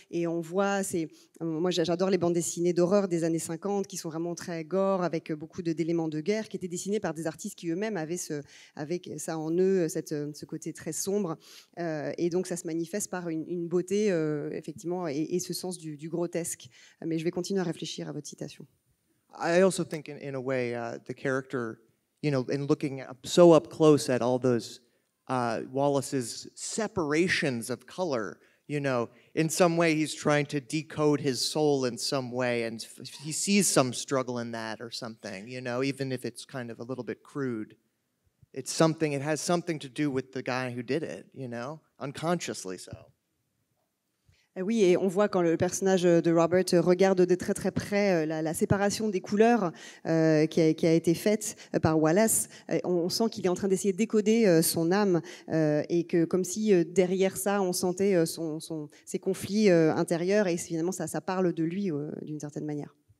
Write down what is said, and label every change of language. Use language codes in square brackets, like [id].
[fr] Et on voit, moi j'adore les bandes dessinées d'horreur des années 50, qui sont vraiment très gore, avec beaucoup d'éléments de guerre, qui étaient dessinés par des artistes qui eux-mêmes avaient ça en eux, ce côté très sombre. Et donc ça se manifeste par une beauté, effectivement, et ce sens du grotesque. Mais je vais continuer à réfléchir à votre citation. [en] I also think, in a way, the character, you know, in looking up, so up close at all those Wallace's separations of color, you know, in some way he's trying to decode his soul in some way, and he sees some struggle in that or something, you know, even if it's kind of a little bit crude. It's something, it has something to do with the guy who did it, you know, unconsciously so. [fr] Oui, et on voit quand le personnage de Robert regarde de très très près la séparation des couleurs qui a été faite par Wallace, on sent qu'il est en train d'essayer de décoder son âme et que comme si derrière ça on sentait ses conflits intérieurs et finalement ça parle de lui d'une certaine manière.